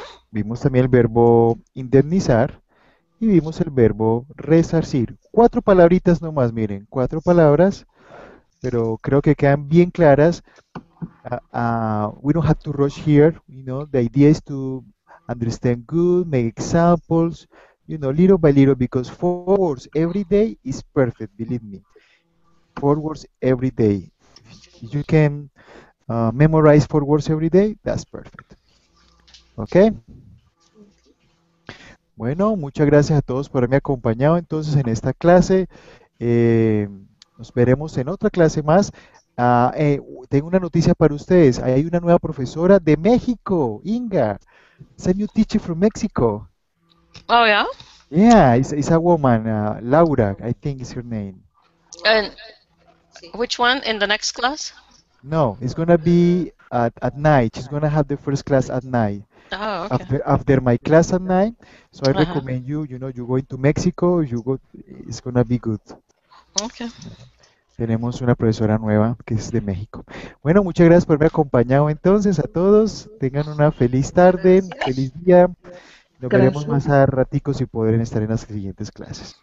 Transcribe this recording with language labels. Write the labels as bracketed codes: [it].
[es] Vimos también el verbo indemnizar y vimos el verbo resarcir. Cuatro palabritas nomás, miren, cuatro palabras, pero creo que quedan bien claras. [en] We don't have to rush here, you know, the idea is to understand good, make examples, you know, little by little, because four words every day is perfect, believe me. Four words every day. You can memorize four words every day, that's perfect. Okay? [es] Bueno, muchas gracias a todos por haberme acompañado entonces en esta clase. Nos veremos en otra clase más. Tengo una noticia para ustedes. Ahí hay una nueva profesora de México, Inga. [en] It's a new teacher from Mexico. Oh, yeah? Yeah, it's a woman, Laura, I think is her name. And which one, in the next class? No, it's going to be at night. She's going to have the first class at night. Oh, okay. After my class at night. So I recommend you know, you go into Mexico, you go. It's going to be good. Okay. [es] Tenemos una profesora nueva que es de México. Bueno, muchas gracias por haberme acompañado entonces a todos. Tengan una feliz tarde, feliz día. Nos veremos más a ratico si podrán estar en las siguientes clases.